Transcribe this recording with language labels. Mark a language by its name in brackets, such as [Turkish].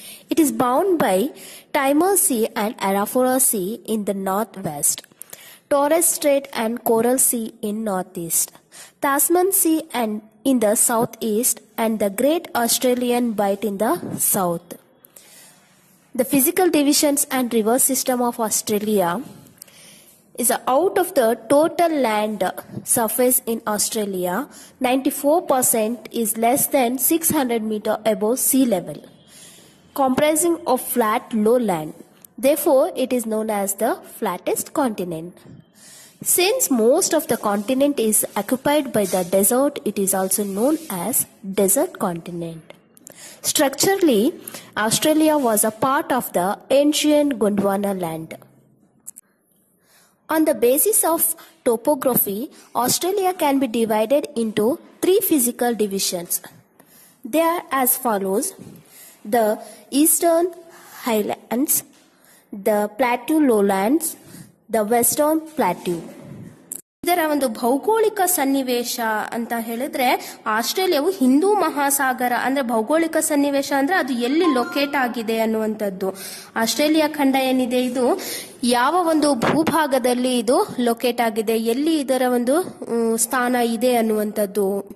[English] It is bound by Timor sea and Arafura sea in the north west, Torres strait and coral sea in north east, Tasman sea and in the south east and the great Australian bight in the south. The physical divisions and river system of Australia is out of the total land surface in Australia, 94% is less than 600 meter above sea level, comprising of flat lowland. Therefore, it is known as the flattest continent. Since most of the continent is occupied by the desert, it is also known as desert continent. Structurally, Australia was a part of the ancient Gondwana land. On the basis of topography, Australia can be divided into three physical divisions. They are as follows: the Eastern Highlands, the Plateau Lowlands, the Western Plateau. [Kannada] ಇದರ ಒಂದು ಭೌಗೋಳಿಕ ಸನ್ನಿವೇಶ ಅಂತ ಹೇಳಿದ್ರೆ ಆಸ್ಟ್ರೇಲಿಯಾವು ಹಿಂದೂ ಮಹಾಸಾಗರ ಅಂದ್ರೆ ಭೌಗೋಳಿಕ ಸನ್ನಿವೇಶ ಅಂದ್ರೆ ಅದು ಎಲ್ಲಿ ಲೊಕೇಟ್ ಆಗಿದೆ ಅನ್ನುವಂಥದ್ದು. ಆಸ್ಟ್ರೇಲಿಯಾ ಖಂಡ ಏನಿದೆ ಇದು ಯಾವ ಒಂದು ಭೂಭಾಗದಲ್ಲಿ ಇದು ಲೊಕೇಟ್ ಆಗಿದೆ, ಎಲ್ಲಿ ಇದರ ಒಂದು ಸ್ಥಾನ ಇದೆ ಅನ್ನುವಂಥದ್ದು.